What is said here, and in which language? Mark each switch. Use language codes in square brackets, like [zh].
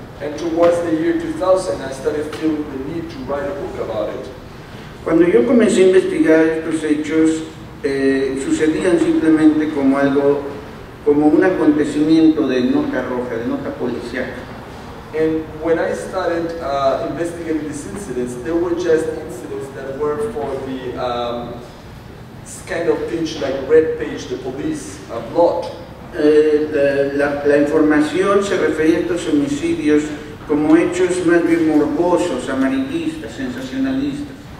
[en] And towards the year 2000, I started feeling the need to write a book about it. [es] Cuando yo comencé a investigar estos hechos, sucedían simplemente como algo, como un acontecimiento de nota roja, de nota policial. [en] And when I started investigating these incidents, they were just incidents that were for the kind of pinch, like red page, the police blot. [es] La información se refería a estos homicidios como hechos más bien morbosos, amarillistas, sensacionalistas.